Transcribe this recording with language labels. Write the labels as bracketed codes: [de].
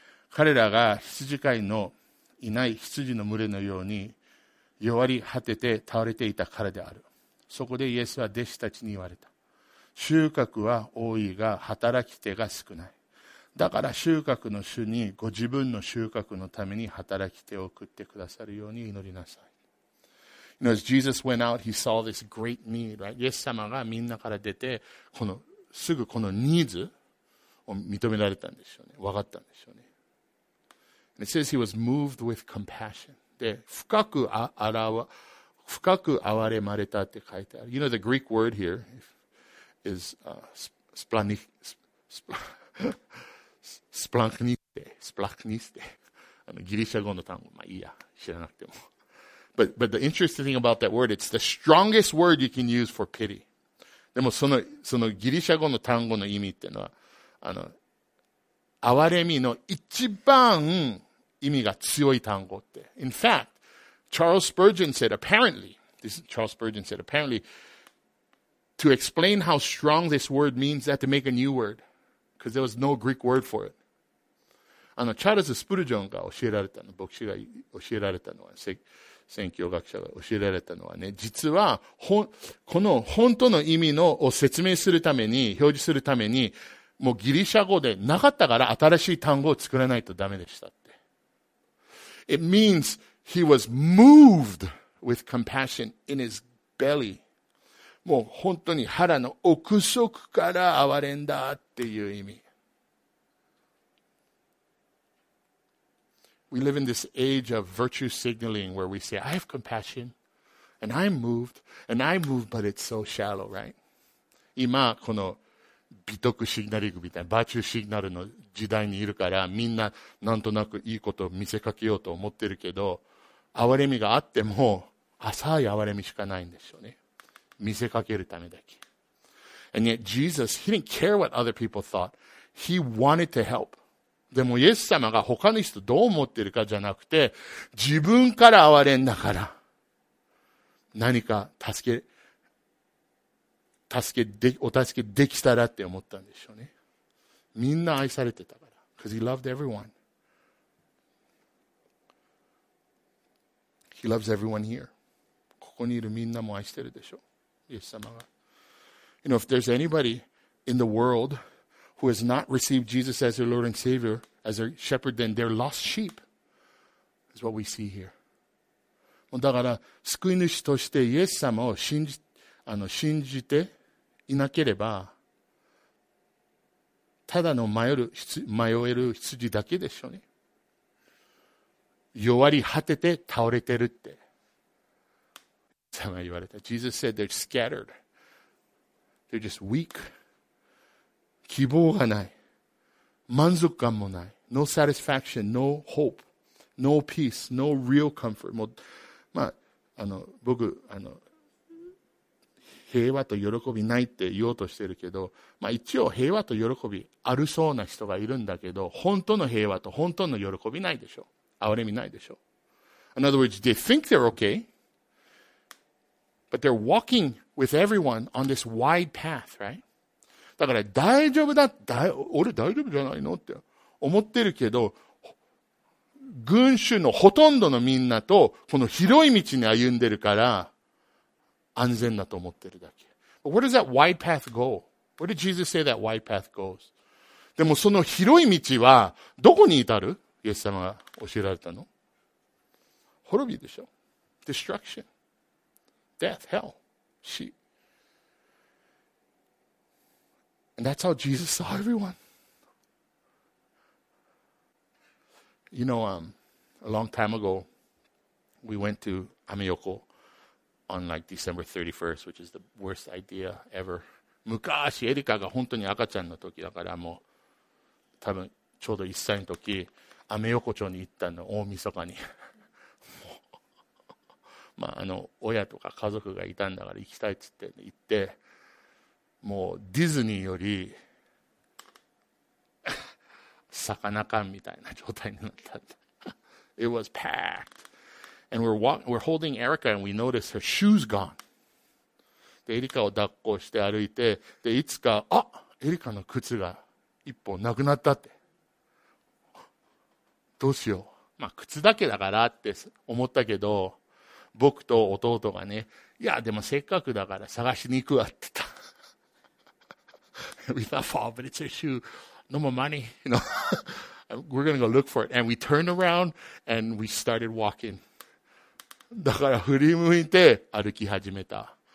[ja] 彼らが羊飼いのいない羊の群れのように弱り果てて倒れていたからである。そこでイエスは弟子たちに言われた。収穫は多いが働き手が少ない。だから収穫の主にご自分の収穫のために働き手を送ってくださるように祈りなさい。 [en] You know, as Jesus went out, he saw this great need, right? [ja] イエス様がみんなから出て、このすぐこのニーズを認められたんでしょうね。分かったんでしょうね。 [en] It says he was moved with compassion. [ja] で、深く憐れまれたって書いてある。 [en] You know the Greek word here is splankniste. [ja] ギリシャ語の単語。まあいいや。知らなくても。 [en] But the interesting thing about that word, it's the strongest word you can use for pity. [ja] でもそのギリシャ語の単語の意味ってのは、憐れみの一番意味が強い単語って。 [en] In fact, Charles Spurgeon said apparently, to explain how strong this word means, they had to make a new word. Because there was no Greek word for it. [ja] チャールズ・スプルジョンが教えられたの、牧師が教えられたのは、宣教学者が教えられたのはね、実は、この本当の意味のを説明するために、表示するために、もうギリシャ語でなかったから新しい単語を作らないとダメでしたって。 [en] It means he was moved with compassion in his belly. [ja] もう本当に腹の奥底から憐れんだっていう意味。 [en] We live in this age of virtue signaling where we say, I have compassion, and I'm moved, and I'm moved, but it's so shallow, right? [ja] 今、この美徳シグナリングみたいな、バーチューシグナルの時代にいるから、みんななんとなくいいことを見せかけようと思ってるけど、憐れみがあっても、浅い憐れみしかないんでしょうね。見せかけるためだけ。 [en] And yet Jesus, he didn't care what other people thought. He wanted to help. [ja] でもイエス様が他の人どう思ってるかじゃなくて、自分から憐れんだから、何か助けできたらって思ったんでしょうね。みんな愛されてたから。 [en] Because he loved everyone. He loves everyone here. [ja] ここにいるみんなも愛してるでしょう。イエス様が。 [en] You know, if there's anybody in the world who has not received Jesus as their Lord and Savior,As a shepherd, then they're lost sheep, is what we see here. [ja] だから救い主としてイエス様を信じていなければ、ただの迷える羊だけでしょうね。弱り果てて倒れてるって。イエス様が言われた。 [en] Jesus said they're scattered. They're just weak. [ja] 希望がない。満足感もない。 [en] No satisfaction, no hope, no peace, no real comfort. [ja] もう、まあ、僕、平和と喜びないって言おうとしてるけど、まあ一応平和と喜びあるそうな人がいるんだけど、本当の平和と本当の喜びないでしょ。憐れみないでしょ。 [en] In other words, they think they're okay, but they're walking with everyone on this wide path, right? [ja] だから大丈夫だ、俺大丈夫じゃないのって。思ってるけど、群衆のほとんどのみんなとこの広い道に歩んでるから安全だと思ってるだけ。 [en] But where does that wide path go? Where did Jesus say that wide path goes? [ja] でもその広い道はどこに至る？イエス様が教えられたの？滅びでしょ。 [en] Destruction, death, hell, sheep. And that's how Jesus saw everyone. You know, a long time ago, we went to Ameyoko on like December 31st, which is the worst idea ever. [ja] 昔、エリカが本当に赤ちゃんの時だから、もう多分ちょうど1歳の時、アメ横丁に行ったの、大晦日に。まあ、親とか家族がいたんだから行きたいって言って、行って、もうディズニーより、魚缶みたいな状態になったんだ。 It was packed. And we're holding Erica and we notice her shoes gone. で、エリカを抱っこして歩いて、で、いつか、あ、エリカの靴が一本なくなったって。どうしよう。まあ、靴だけだからって思ったけど、僕と弟がね、いや、でもせっかくだから探しに行くわって言った。 [en] We thought, fall, but it's her shoe. No more money, you know. We're gonna go look for it. And we turned around and we started walking. [ja] だから振り向いて歩き始めた。